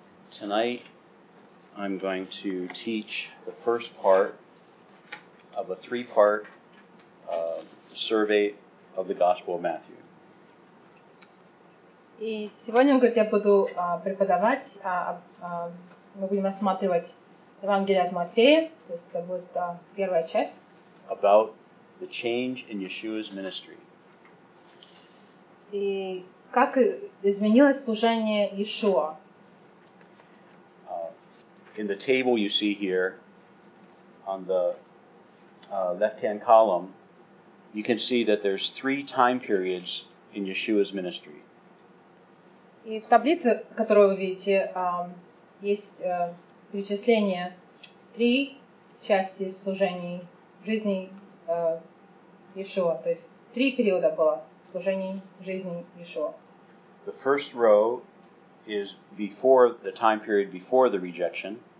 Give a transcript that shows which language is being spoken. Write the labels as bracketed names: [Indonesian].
[English] Tonight, I'm going to teach the first part of a three-part survey of the Gospel of Matthew. [Russian] И сегодня я буду преподавать, мы будем рассматривать Евангелие от Матфея, то есть это будет первая часть. [English] About the change in Yeshua's ministry. [Russian] И как изменилось служение Иешуа? [English] In the table you see here, on the left-hand column, you can see that there's three time periods in Yeshua's ministry. [Russian] И в таблице, которую вы видите, есть перечисление три части служений жизни Иешуа. То есть три периода было служений жизни Иешуа. [English] The first row is before the time period before the rejection.